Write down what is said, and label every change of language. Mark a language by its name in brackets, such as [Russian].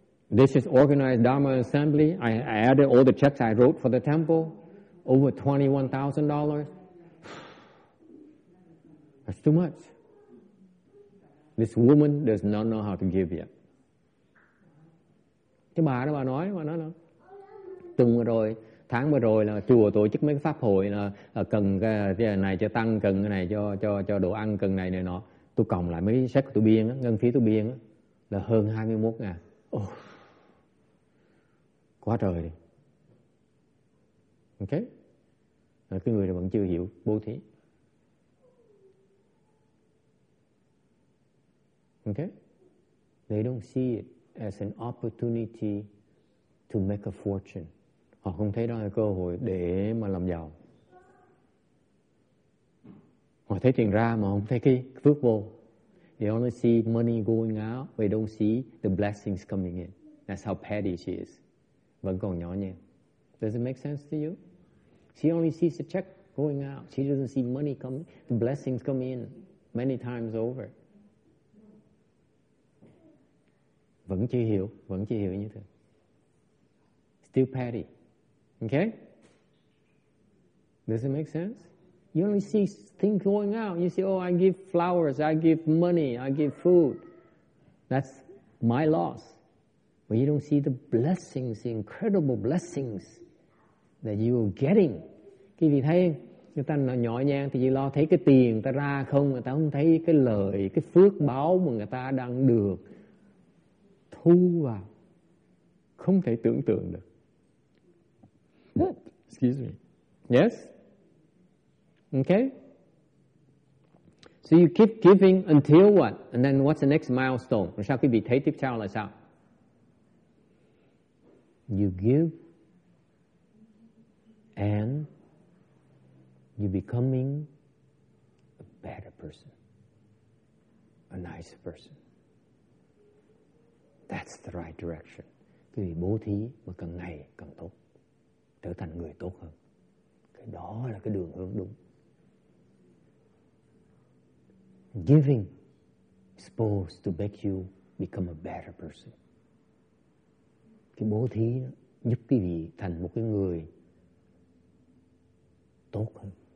[English] This is organized Dharma assembly. I added all the checks I wrote for the temple. Over $21,000. That's too much. This woman does not know how to give yet. [Vietnamese] Cái bà đó bà nói, mà nói là tuần vừa rồi, tháng vừa rồi là chùa tổ chức mấy cái pháp hội là cần cái này cho tăng, cần cái này cho đồ ăn, cần này này nọ. Tôi cộng lại mấy sách của tôi biên, ngân phí tôi biên là hơn 21,000. Oh, quá trời đi. Ok. Là cái người vẫn chưa hiểu bố thí. [English] Okay? They don't see it as an opportunity to make a fortune. [Vietnamese] Họ không thấy đó là cơ hội để mà làm giàu. Họ thấy tiền ra mà không thấy cái phước vô. [English] They only see money going out, they don't see the blessings coming in. That's how petty she is. [Vietnamese] Vẫn còn nhỏ nhen. [English] Does it make sense to you? She only sees the check going out. She doesn't see money coming, the blessings coming in many times over. [Vietnamese] Vẫn chưa hiểu như thế. [English] Still petty. Okay? Does it make sense? You only see things going out. You say, oh, I give flowers, I give money, I give food. That's my loss. But you don't see the blessings, the incredible blessings that you are getting. [Vietnamese] Khi vị thấy, người ta nhỏ nhàng thì chỉ lo thấy cái tiền người ta ra không, người ta không thấy cái lời, cái phước báo mà người ta đang được thu vào. Không thể tưởng tượng được. [English] Excuse me. Yes? Okay? So you keep giving until what? And then what's the next milestone? [Vietnamese] Rồi sao quý vị thấy tiếp theo là sao? [English] You give and you're becoming a better person, a nicer person. That's the right direction. [Vietnamese] Quý vị bố thí mà càng ngày càng tốt, trở thành người tốt hơn. Cái đó là cái đường hướng đúng. [English] Giving supposed to make you become a better person. [Vietnamese] Cái bố thí đó giúp quý vị thành một cái người tốt hơn.